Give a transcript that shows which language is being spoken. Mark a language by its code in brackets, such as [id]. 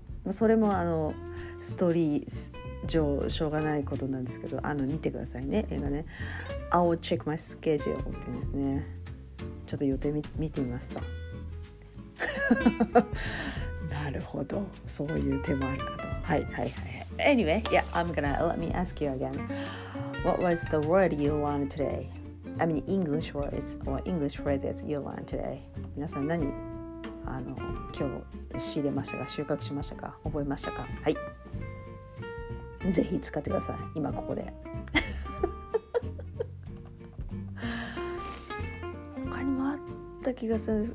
[ja] それもストーリー上しょうがないことなんですけど、見てくださいね、映画ね。 [en] I'll check my schedule [ja] って言うんですね。ちょっと予定見てみますとなるほど。そういう手もあるかと。はいはいはい。 [en] Anyway, yeah, I'm gonna let me ask you again. What was the word you learned today? I mean, English words or English phrases you learned today? [ja] 皆さん何今日仕入れましたか、収穫しましたか、覚えましたか。はい。ぜひ使ってください。今ここで。他にもあった気がするんです。